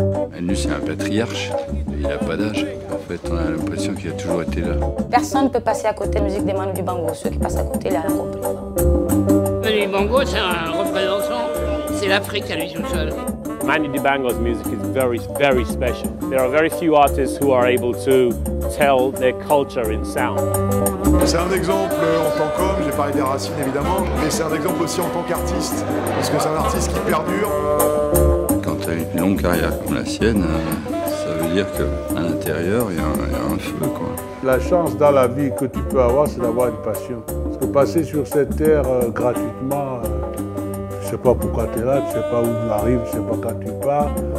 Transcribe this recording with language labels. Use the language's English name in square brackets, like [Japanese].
[French] Manu, c'est un patriarche, il n'a pas d'âge. En fait, on a l'impression qu'il a toujours été là. Personne ne peut passer à côté de la musique des Manu Dibango. Ceux qui passent à côté, il est à la Manu Dibango, c'est un représentant, c'est l'Afrique à lui tout seul. [English] Manu Dibango's music is very, very special. There are very few artists who are able to tell their culture in sound. [French] C'est un exemple en tant qu'homme, j'ai parlé des racines évidemment, mais c'est un exemple aussi en tant qu'artiste, parce que c'est un artiste qui perdure. Quand tu as une longue carrière comme la sienne, ça veut dire qu'à l'intérieur, il y a un feu, quoi. La chance dans la vie que tu peux avoir, c'est d'avoir une passion. Parce que passer sur cette terre gratuitement, je ne sais pas pourquoi tu es là, tu ne sais pas où tu arrives, je ne sais pas quand tu pars.